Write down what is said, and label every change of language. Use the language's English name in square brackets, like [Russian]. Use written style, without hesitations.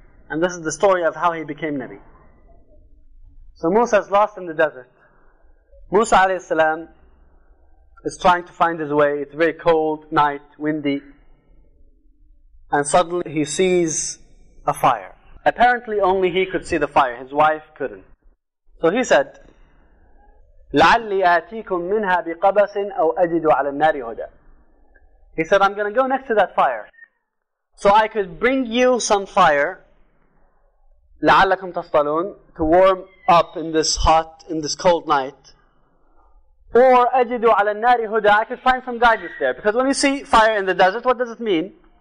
[English] And this is the story of how he became Nabi. So Musa is lost in the desert. Musa alayhi salam is trying to find his way. It's a very cold night, windy. And suddenly he sees a fire. Apparently only he could see the fire. His wife couldn't. [Arabic] So he said, لَعَلِّي آتِيكُم مِّنْهَا بِقَبَسٍ أَوْ أَجِدُ عَلَى النَّارِ هُدَى. [English] He said, I'm going to go next to that fire, so I could bring you some fire, [Arabic] لَعَلَّكُمْ تَصْطَلُونَ, [English] to warm up in this hot, in this cold night. Or [Arabic] أَجِدُ عَلَى النَّارِ هُدَى, [English] I could find some guidance there. Because when you see fire in the desert, what does it mean?